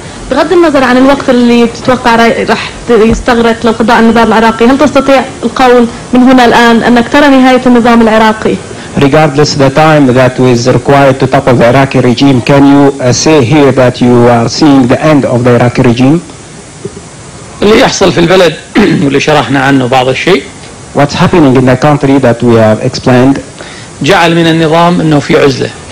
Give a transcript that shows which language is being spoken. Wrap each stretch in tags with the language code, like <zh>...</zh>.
<ar>بغض النظر عن الوقت اللي تتوقع راح يستغرق للقضاء على النظام العراقي، هل تستطيع القول من هنا الآن أنك ترى نهاية النظام العراقي؟</ar> <en>Regardless the time that is required to topple the Iraqi regime, can you say here that you are seeing the end of the Iraqi regime?</en> <ar>اللي يحصل في البلد واللي شرحنا عنه بعض الشيء.</ar> <en>What's happening in the country that we have explained?</en> <ar>جعل من النظام انه في عزلة.</ar>